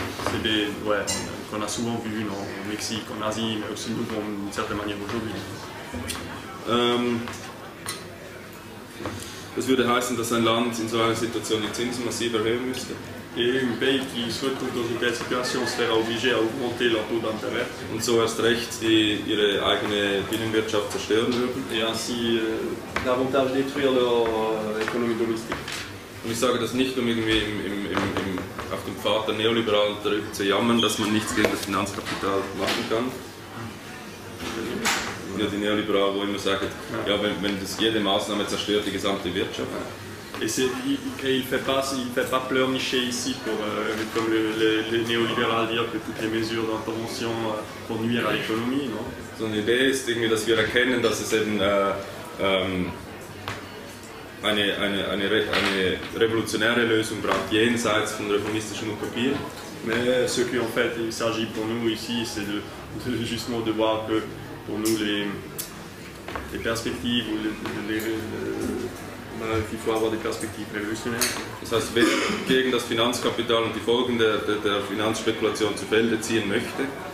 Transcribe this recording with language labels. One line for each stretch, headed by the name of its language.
French: C'est des, ouais, qu'on a souvent vu en Mexique, en Asie, mais aussi nous, d'une certaine manière, aujourd'hui.
German: Das würde heißen, dass ein Land in so einer Situation die Zinsen massiv erhöhen müsste.
French: Et un pays qui souhaite dans une telle situation sera obligé à augmenter leur taux d'intérêt.
German: Und so erst recht ihre eigene Binnenwirtschaft zerstören würden.
French: Et ainsi davantage détruire leur économie domestique.
German: Und ich sage das nicht, um irgendwie im auf dem Pfad der Neoliberalen darüber zu jammern, dass man nichts gegen das Finanzkapital machen kann. Ja, die Neoliberalen, wo immer sagen, ja, wenn das jede Maßnahme zerstört, die gesamte Wirtschaft.
French: Il fait pas pleurnicher ici pour comme les néolibéraux dire que toutes les mesures d'intervention pour nuire à l'économie, non?
German: So eine Idee ist irgendwie, dass wir erkennen, dass es eben eine revolutionäre Lösung braucht jenseits von reformistischen Utopien.
French: Mais ce qui en fait il s'agit pour nous ici, c'est de justement de voir que pour nous les perspectives ou qu'il faut avoir des perspectives révolutionnaires.
German: Das heißt, wer gegen das Finanzkapital und die Folgen der Finanzspekulation zu Felde ziehen möchte.